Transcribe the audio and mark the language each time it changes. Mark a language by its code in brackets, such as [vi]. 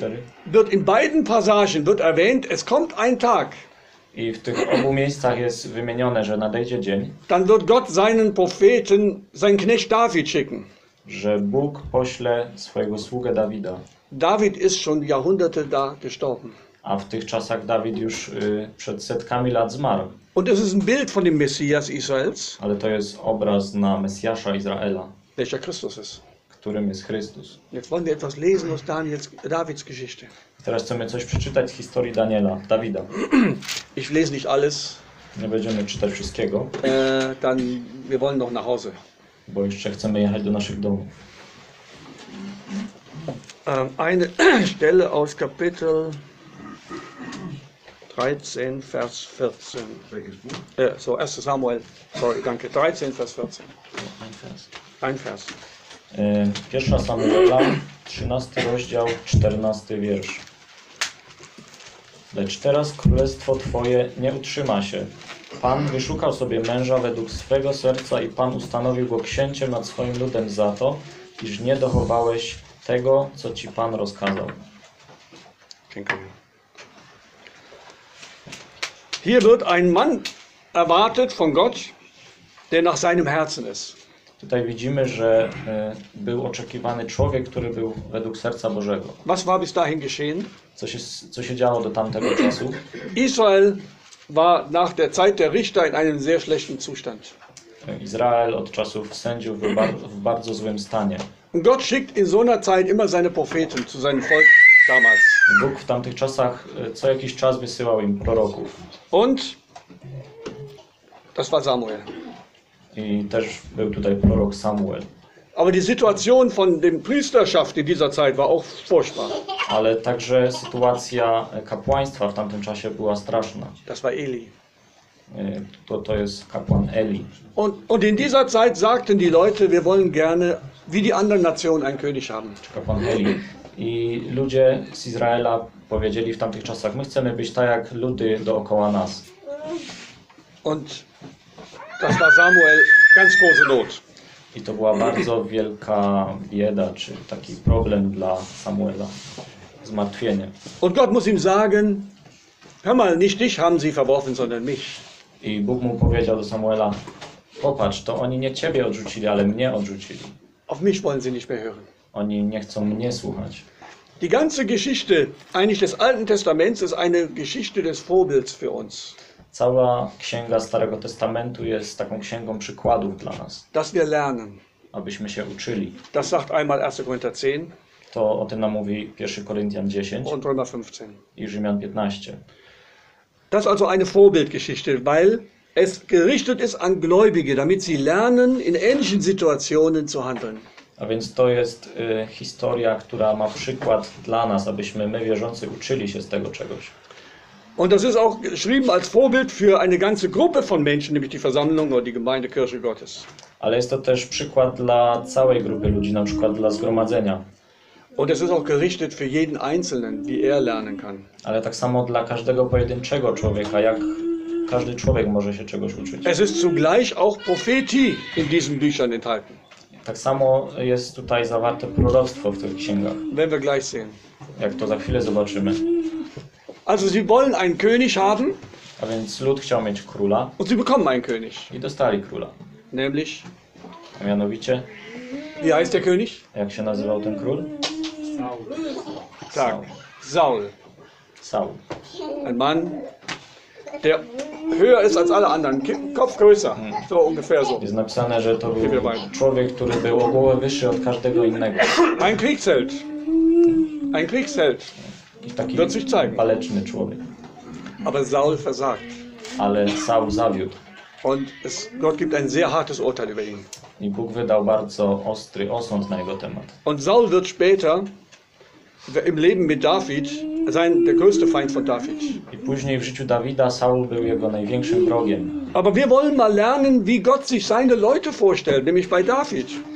[de] Dann wird in beiden Passagen wird erwähnt, es kommt ein Tag. [pl] I w tych obu miejscach jest wymienione, że nadejdzie dzień. [de] Dann wird Gott seinen Propheten, seinen Knecht David schicken. [pl] Że Bóg pośle swojego sługę Dawida. [de] David ist schon Jahrhunderte da gestorben. [pl] A w tych czasach Dawid już przed setkami lat zmarł. [de] Und es ist ein Bild von dem Messias Israels. [pl] Ale to jest obraz na Mesjasza Izraela. [de] Welcher Christus ist. [pl] Którym jest Chrystus. [de] Jetzt wollen wir etwas lesen aus Daniels, Davids Geschichte. [pl] Teraz chcemy coś przeczytać z historii Daniela, Dawida. [de] Ich lese nicht alles. [pl] Nie będziemy czytać wszystkiego. [de] Dann wir wollen noch nach Hause. [pl] Bo jeszcze chcemy jechać do naszych domów. [de] Eine Stelle aus Kapitel 13, Vers 14. Welches Buch? So, 1. Samuel. Sorry, danke. 13, Vers 14. Ein Vers. Ein Vers. 1. [pl] Samuela, 13 rozdział, 14 wiersz. Lecz teraz królestwo Twoje nie utrzyma się. Pan wyszukał sobie męża według swego serca i Pan ustanowił go księciem nad swoim ludem za to, iż nie dochowałeś tego, co Ci Pan rozkazał. Dziękuję. [de] Hier wird ein Mann erwartet von Gott, der nach seinem Herzen ist. [pl] Tutaj widzimy, że był oczekiwany człowiek, który był według serca Bożego. [de] Was war bis dahin geschehen? [pl] Co się działo do tamtego czasu? [de] Israel war nach der Zeit der Richter in einem sehr schlechten Zustand. [pl] Izrael od czasów sędziów był w bardzo złym stanie. [de] Gott schickt in so einer Zeit immer seine Propheten zu seinem Volk damals. [pl] Bóg w tamtych czasach co jakiś czas wysyłał im proroków. [de] Und das war Samuel. [pl] I też był tutaj prorok Samuel. [de] Aber die Situation von dem Priesterschaft in dieser Zeit war auch furchtbar. [pl] Ale także sytuacja kapłaństwa w tamtym czasie była straszna. [de] Das war Eli. [pl] To jest kapłan Eli. [de] Und in dieser Zeit sagten die Leute, wir wollen gerne wie die anderen Nationen einen König haben. [pl] Kapłan Eli. I ludzie z Izraela powiedzieli w tamtych czasach, my chcemy być tak jak ludy dookoła nas. [de] Und das war Samuel, ganz große Not. [pl] I to była bardzo wielka bieda, czy taki problem dla Samuela, zmartwienie. [de] Und Gott muss ihm sagen, hör mal, nicht dich haben sie verworfen, sondern mich. [pl] I Bóg mu powiedział do Samuela, popatrz, to oni nie ciebie odrzucili, ale mnie odrzucili. [de] Auf mich wollen sie nicht mehr hören. [pl] Oni nie chcą mnie słuchać. [de] Die ganze Geschichte eigentlich des Alten Testaments ist eine Geschichte des Vorbilds für uns. [pl] Cała księga Starego Testamentu jest taką księgą przykładów dla nas. [de] Dass wir lernen. [pl] Abyśmy się uczyli. [de] Das sagt einmal 1. Korinther 10. [pl] To o tym nam mówi 1. Koryntian 10. [de] Und Römer 15. [pl] I Rzymian 15. [de] Das ist also eine Vorbildgeschichte, weil es gerichtet ist an Gläubige, damit sie lernen, in ähnlichen Situationen zu handeln. [pl] A więc to jest historia, która ma przykład dla nas, abyśmy my wierzący uczyli się z tego czegoś. [de] Und das ist auch geschrieben als Vorbild für eine ganze Gruppe von Menschen, nämlich die Versammlung oder die Gemeinde Kirche Gottes. [pl] Ale jest to też przykład dla całej grupy ludzi, na przykład dla zgromadzenia. [de] Und es ist auch gerichtet für jeden Einzelnen, wie er lernen kann. [pl] Ale tak samo dla każdego pojedynczego człowieka, jak każdy człowiek może się czegoś uczyć. [de] Es ist zugleich auch Prophetie in diesen Büchern enthalten. [pl] Tak samo jest tutaj zawarte proroctwo w tych księgach. [de] Wenn wir gleich sehen. [pl] Jak to za chwilę zobaczymy. [de] Also sie wollen einen König haben. [pl] A więc lud chciał mieć króla. [de] Und sie bekommen einen König. [pl] I dostali króla. [de] Nämlich. [pl] A mianowicie. [de] Wie heißt der König? [pl] Jak się nazywał ten król? [de] Saul. [pl] Tak. Saul. Saul. [de] Ein Mann, der höher ist als alle anderen. Kopf größer. So ungefähr so. [pl] Jest napisane, że to był człowiek, który był o głowę wyższy od każdego innego. [de] Ein Kriegsheld. Ein Kriegsheld. [pl] Taki waleczny człowiek. [de] Aber Saul versagt. [pl] Ale Saul zawiódł. [de] Und es, Gott gibt ein sehr hartes Urteil über ihn. [pl] I Bóg wydał bardzo ostry osąd na jego temat. [de] Und Saul wird später im Leben mit David sein der größte Feind von David. [pl] I później w życiu Dawida Saul był jego największym wrogiem. [de] Aber wir wollen mal lernen, wie Gott sich seine Leute vorstellt, nämlich bei David.